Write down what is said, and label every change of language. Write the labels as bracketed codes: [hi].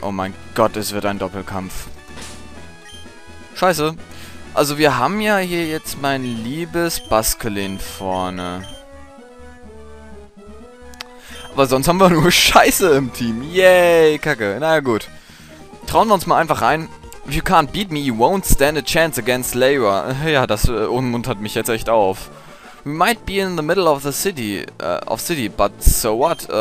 [de] Oh mein Gott, es wird ein Doppelkampf. Scheiße. Also wir haben ja hier jetzt mein liebes Baskelin vorne. Aber sonst haben wir nur Scheiße im Team. Yay, Kacke. Na gut. Trauen wir uns mal einfach rein. [en] If you can't beat me, you won't stand a chance against Layla. [de] Ja, das ummuntert mich jetzt echt auf. [en] We might be in the middle of the city, but so what?